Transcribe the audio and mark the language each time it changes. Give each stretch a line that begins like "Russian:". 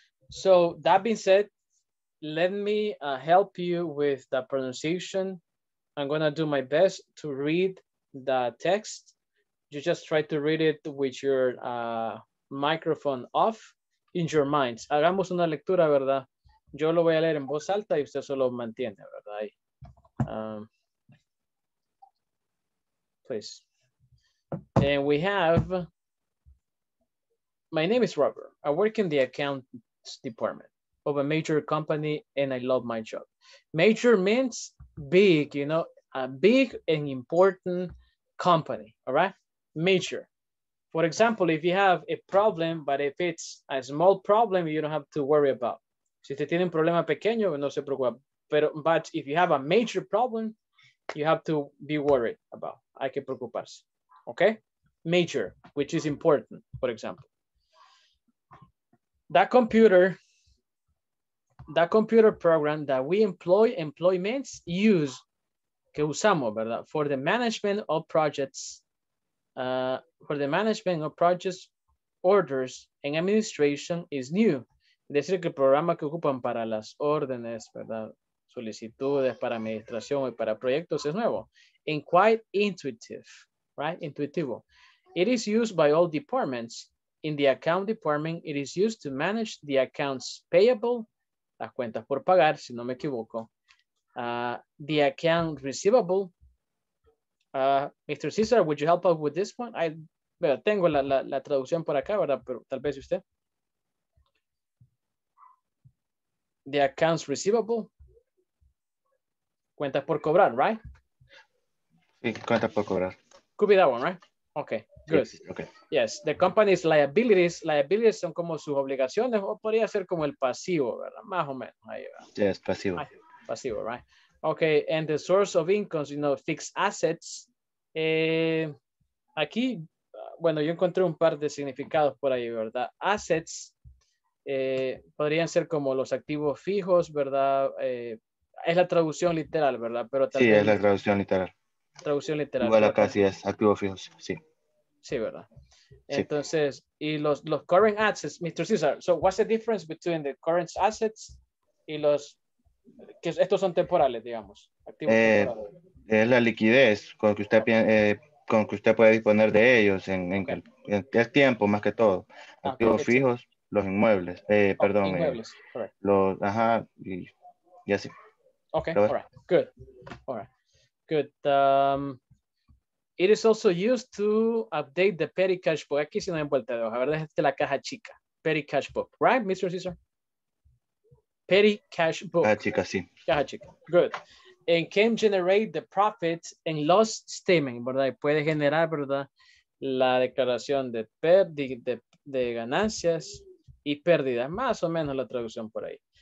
English: So that being said, let me help you with the pronunciation. I'm going to do my best to read the text. You just try to read it with your microphone off in your minds.
Spanish: Hagamos una lectura, ¿verdad? Yo lo voy a leer en voz alta y usted solo mantiene, ¿verdad? Ahí.
English: Please. And we have, my name is Robert. I work in the accounts department of a major company and I love my job. Major means big, you know, a big and important company, all right? Major. For example, if you have a problem, but if it's a small problem, you don't have to worry about.
Spanish: Si usted tiene un problema pequeño, no se preocupe.
English: But if you have a major problem, you have to be worried about.
Spanish: Hay que preocuparse.
English: Okay? Major, which is important, for example. That computer program that we employ, employments use,
Spanish: que usamos, ¿verdad?
English: For the management of projects, for the management of projects, orders, and administration is new.
Spanish: Es decir, que el programa que ocupan para las órdenes, ¿verdad? Solicitudes para administración y para proyectos es nuevo.
English: And quite intuitive, right? Intuitivo. It is used by all departments. In the account department, it is used to manage the accounts payable,
Spanish: las cuentas por pagar, si no me equivoco.
English: The account receivable. Mr. Cesar, would you help out with this one?
Spanish: Tengo la traducción por acá, ¿verdad? Pero tal vez usted.
English: The accounts receivable.
Spanish: Cuentas por cobrar,
English: right?
Spanish: Sí, cuentas por cobrar.
English: Could be that one, right? Okay, good.
Spanish: Sí, okay.
English: Yes, the company's liabilities.
Spanish: Liabilities son como sus obligaciones o podría ser como el pasivo, ¿verdad? Más o menos. Ahí va. Yes, pasivo. Pasivo, right?
English: Okay, and the source of incomes, you know, fixed assets.
Spanish: Aquí, bueno, yo encontré un par de significados por ahí, ¿verdad? Assets. Podrían ser como los activos fijos, ¿verdad? Es la traducción literal, ¿verdad? Pero también, sí, es la traducción literal. Traducción literal. Bueno, casi es activos fijos, sí. Sí, ¿verdad? Sí. Entonces, y los current assets, Mr.
English: Cesar, so what's the difference between the current assets
Spanish: y los, que estos son temporales, digamos, activos temporales? Es la liquidez con que usted, con que usted puede disponer de ellos en tiempo, más que todo. Activos fijos. Los inmuebles, perdón. Inmuebles, correcto. Los, ajá, y así.
English: Ok, all right, good. All right, good. It is also used to update the petty cash book.
Spanish: Aquí si no hay vuelta de hoja, ¿verdad? Es la caja chica.
English: Petty cash book, right, Mr. Cesar? Petty cash book.
Spanish: Caja chica, sí. Caja chica,
English: good. And can generate the profit and loss statement,
Spanish: ¿verdad? Y puede generar, ¿verdad? La declaración de pérdida, de ganancias y pérdidas, más o menos la traducción por ahí.